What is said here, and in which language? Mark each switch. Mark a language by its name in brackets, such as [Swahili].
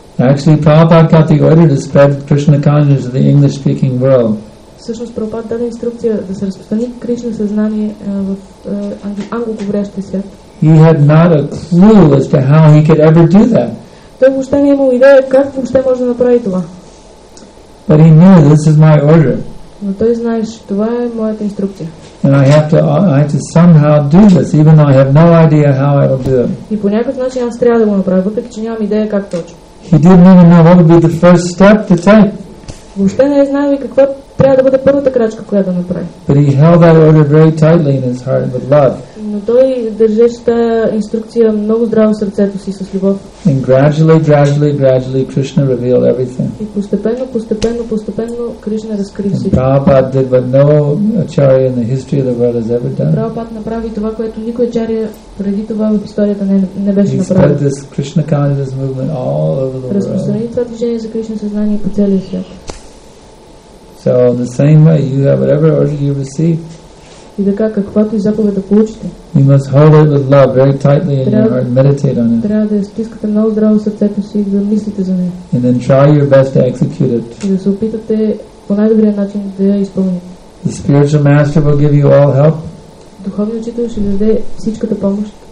[English] Actually, Prabhupada got the order to spread Krishna consciousness to the English-speaking world. [Bulgarian] Всъщност Прабхупада даде инструкция да се разпространи Кришна съзнание в англоговорящия свят. [English] He had not a clue as to how he could ever do that. [Bulgarian] Той въобще не имал идея как въобще може да направи това. [English] But he knew this is my order. [Bulgarian] Но той знаеше, това е моята инструкция. [English] And I have to somehow do this, even though I have no idea how I will do it. [Bulgarian] И по някакъв начин аз трябва да го направя, въпреки че нямам идея как точно. [English] He didn't even know what would be the first step to take. [Bulgarian] Въобще не е знаел и какво трябва да бъде първата крачка, която да направи. [English] But he held that order very tightly in his heart with love. [Bulgarian] Но той държеше тази инструкция много здраво в сърцето си с любов. [English] And gradually, Krishna revealed everything. [Bulgarian] И постепенно, Кришна разкри всичко. [English] And Prabhupada did what no acharya in the history of the world has ever done. [Bulgarian] Прабхупада направи това, което никой ачария преди това в историята не беше направил. [English] He spread this Krishna consciousness movement all over the world. [Bulgarian] Разпространи това движение за Кришна съзнание по целия свят. [English] So in the same way, you have whatever order you receive. [Bulgarian] И така, каквато и заповед да получите. [English] You must hold it with love very tightly in your heart and meditate on it. [Bulgarian] Трябва да стискате много здраво сърцето си и да мислите за нея. [English] And then try your best to execute it. [Bulgarian] И да се опитате по най-добрия начин да я изпълните. [English] The spiritual master will give you all help. [Bulgarian] Духовният учител ще ви даде всичката помощ.